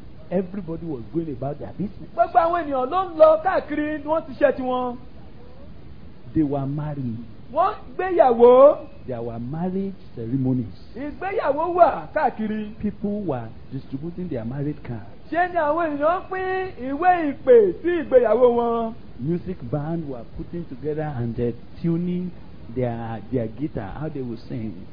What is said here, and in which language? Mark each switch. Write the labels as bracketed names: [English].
[English] Everybody was going about their business. [Yoruba] Gbogbo àwọn ènìyàn ló ń lọ káàkiri wọ́n ti ṣe tiwọn. [English] They were married. [Yoruba] Wọ́n gbéyàwó. [English] There were marriage ceremonies. [Yoruba] Ìgbéyàwó wà káàkiri. [English] People were distributing their marriage cards. [Yoruba] Ṣé ni àwọn ènìyàn pín ìwé ìpè sí ìgbéyàwó wọn? [English] Music band were putting together and they're tuning their guitar, how they will sing.